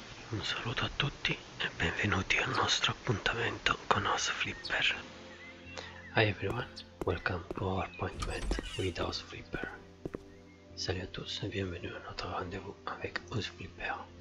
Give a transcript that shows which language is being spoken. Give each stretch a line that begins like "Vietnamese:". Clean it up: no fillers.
Italian: Un saluto a tutti e benvenuti al nostro appuntamento con House Flipper.
English: Hi everyone, welcome to our appointment with House Flipper.
French: Salut à tous et bienvenue à notre rendez-vous avec House Flipper.